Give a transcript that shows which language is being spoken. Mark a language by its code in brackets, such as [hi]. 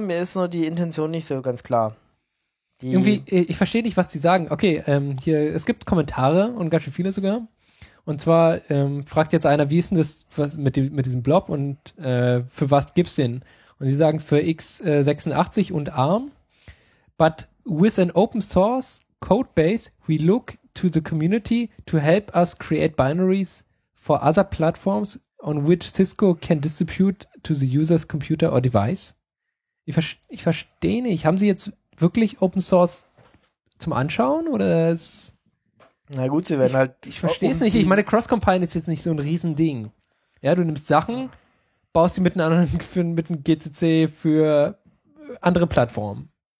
[de] Mir ist nur die Intention nicht so ganz klar. Irgendwie, ich verstehe nicht, was die sagen. Okay, hier, es gibt Kommentare und ganz schön viele sogar. Und zwar fragt jetzt einer, wie ist denn das mit diesem Blob und für was gibt's den? Und sie sagen, für x86 und ARM. [en] But with an open source code base, we look to the community to help us create binaries for other platforms on which Cisco can distribute to the user's computer or device. [de] Ich verstehe nicht. Haben sie jetzt wirklich Open Source zum Anschauen oder ist. Na gut, sie werden halt. Ich verstehe es nicht. Ich meine, Cross-Compile ist jetzt nicht so ein Riesending. Ja, du nimmst Sachen, baust sie miteinander mit einem GCC für andere Plattformen.